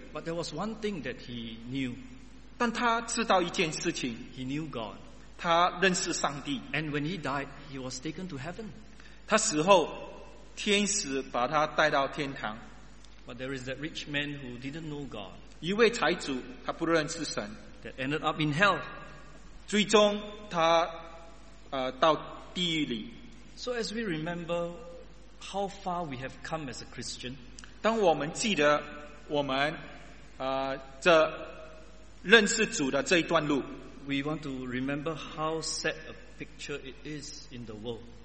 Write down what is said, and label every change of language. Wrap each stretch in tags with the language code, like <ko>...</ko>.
<en>But there was one thing that he knew.</en> <zh>但他知道一件事情。</zh> <en>He knew God.</en> <zh>他认识上帝。</zh> <en>And when he died, he was taken to heaven.</en> <zh>他死后, 天使把他带到天堂。</zh> <en>But there is that rich man who didn't know God.</en> <zh>一位财主, 他不认识神。</zh> <en>That ended up in hell.</en> <zh>最终他到地狱里。</zh> <en>So as we remember how far we have come as a Christian,</en> <zh>当我们记得我们这认识主的这一段路,</zh> <en>we want to remember how sad a picture it is in the world.</en>